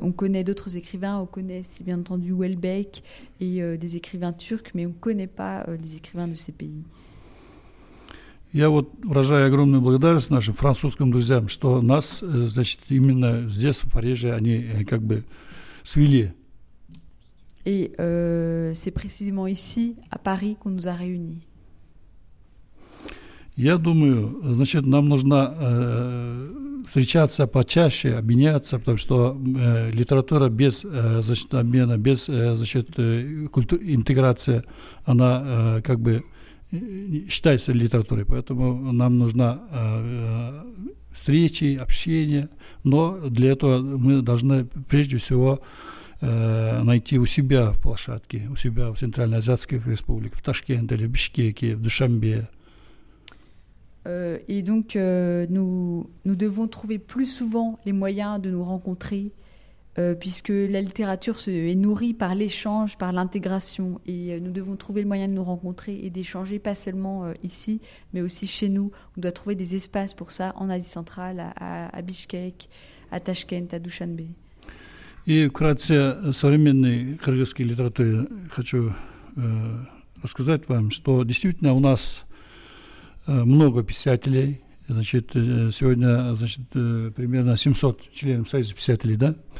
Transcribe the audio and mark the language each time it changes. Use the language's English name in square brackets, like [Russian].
[French] On connaît d'autres écrivains, on connaît si bien entendu Welbeck et des écrivains turcs, mais on ne connaît pas les écrivains de ces pays. [Russian] Я вот выражаю огромную благодарность нашим французским друзьям, что нас, значит, именно здесь в Париже они как бы свели. [French] Et c'est précisément ici, à Paris, qu'on nous a réunis. [Russian] Я думаю, значит, нам нужно встречаться почаще, обменяться, потому что литература без значит, обмена, без значит, интеграции, она как бы считается литературой. Поэтому нам нужна встречи, общение. Но для этого мы должны прежде всего найти у себя в площадке, у себя в Центральноазиатских республиках, в Ташкенте, в Бишкеке, в Душанбе. [French] Et donc, nous devons trouver plus souvent les moyens de nous rencontrer, puisque la littérature est nourrie par l'échange, par l'intégration. Et nous devons trouver le moyen de nous rencontrer et d'échanger, pas seulement ici, mais aussi chez nous. On doit trouver des espaces pour ça en Asie centrale, à Bishkek, à Tashkent, à Dushanbe. [Russian] Et вкратце, современной кыргызской литературе хочу рассказать вам, что действительно у нас много писателей, значит, сегодня, значит, примерно 700 членов Союза писателей, да?